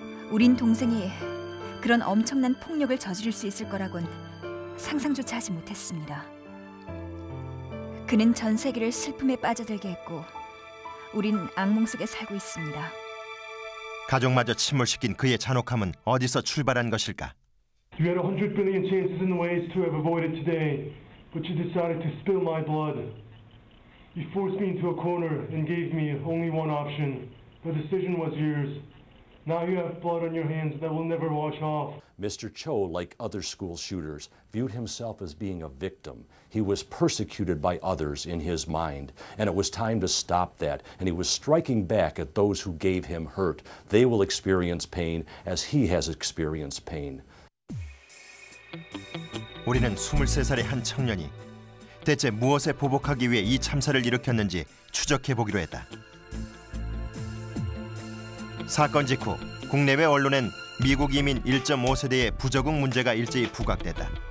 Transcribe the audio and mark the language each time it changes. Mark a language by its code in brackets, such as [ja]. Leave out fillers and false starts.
[ko] 우린 동생이 그런 엄청난 폭력을 저지를 수 있을 거라곤 상상조차 하지 못했습니다. 그는 전 세계를 슬픔에 빠져들게 했고 우린 악몽 속에 살고 있습니다. 가족마저 침몰시킨 그의 잔혹함은 어디서 출발한 것일까? [en] You had 100 billion chances and ways to have avoided today, but you decided to spill my blood. You forced me into a corner and gave me only one option. The decision was yours. Now you have blood on your hands that will never wash off. Mr. Cho, like other school shooters, viewed himself as being a victim. He was persecuted by others in his mind, and it was time to stop that, and he was striking back at those who gave him hurt. They will experience pain as he has experienced pain. [ko] 우리는 23살의 한 청년이 대체 무엇에 보복하기 위해 이 참사를 일으켰는지 추적해보기로 했다. 사건 직후 국내외 언론엔 미국 이민 1.5세대의 부적응 문제가 일제히 부각됐다.